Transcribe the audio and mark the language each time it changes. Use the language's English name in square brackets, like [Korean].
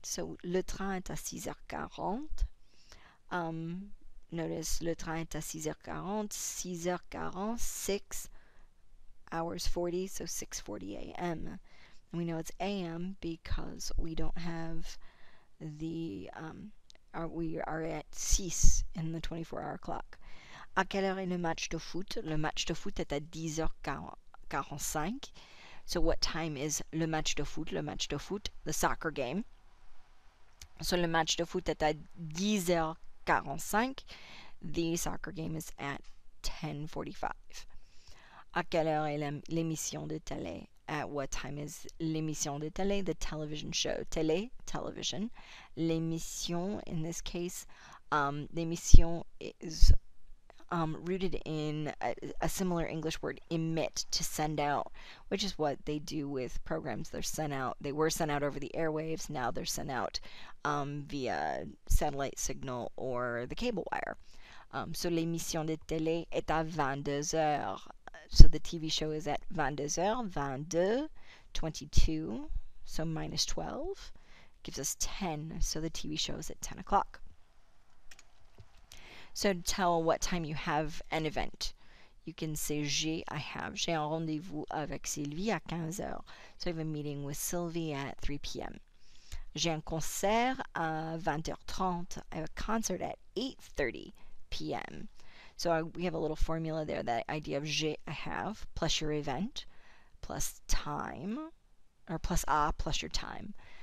[French] So, le train est à 6h40. Notice, le train est à 6h40. [English] 6h40, 6 hours 40, so 6:40 a.m. And we know it's a.m. because we don't have the, we are at 6 in the 24-hour clock. [French] À quelle heure est le match de foot? Le match de foot est à 10h45. [English] So what time is le match de foot? [French] Le match de foot, [English] the soccer game. [French] So le match de foot est à 10h45. [English] The soccer game is at 10:45. [French] À quelle heure est l'émission de télé? [English] At what time is [French] l'émission de télé? [English] The television show. Télé, television. L'émission, in this case, l'émission is rooted in a similar English word, emit, to send out, which is what they do with programs. They're sent out. They were sent out over the airwaves. Now they're sent out via satellite signal or the cable wire. [French] So l'émission de télé est à 22 heures. [English] So the TV show is at 22 heures. 22, 22. So minus 12 gives us 10. So the TV show is at 10 o'clock. So, to tell what time you have an event, you can say j'ai, I have. [French] J'ai un rendez-vous avec Sylvie à 15 h. [English] So, I have a meeting with Sylvie at 3 p.m. [French] J'ai un concert à 20 h 30. [English] I have a concert at 8:30 p.m. So, we have a little formula there, that idea of j'ai, I have, plus your event, plus time, or plus a, plus your time.